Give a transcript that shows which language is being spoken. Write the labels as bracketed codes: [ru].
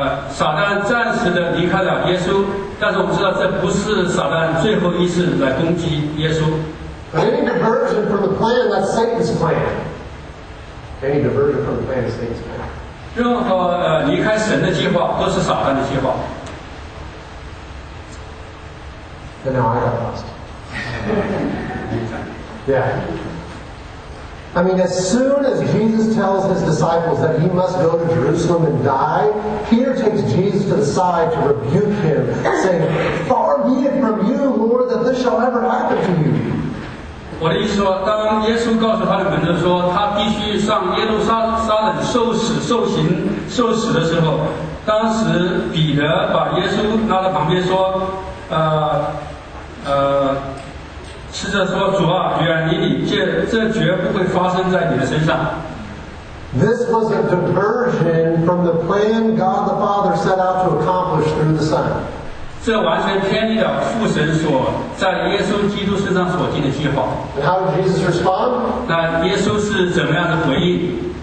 [zh] 撒旦暂时的离开了耶稣，但是我们知道这不是撒旦最后一次来攻击耶稣。 [en] Any diversion from the plan, that's Satan's plan. Any diversion from the plan is Satan's plan. [zh] 任何离开神的计划都是撒旦的计划。 [en] And now I got lost. Yeah. I mean, as soon as Jesus tells his disciples that he must go to Jerusalem and die, Peter takes Jesus to the side to rebuke him, saying, "Far be it from you, Lord, that this shall ever happen to you." [zh] 我的意思说，当耶稣告诉他的门徒说他必须上耶路撒冷受死、受刑、受死的时候，当时彼得把耶稣拉到旁边说：“试着说，主啊，远离你，这绝不会发生在你的身上。” [en] This was a diversion from the plan God the Father set out to accomplish through the Son. [zh] 这完全偏离了父神所在耶稣基督身上所定的计划。 [en] And how did Jesus respond? [zh] 那耶稣是怎么样的回应？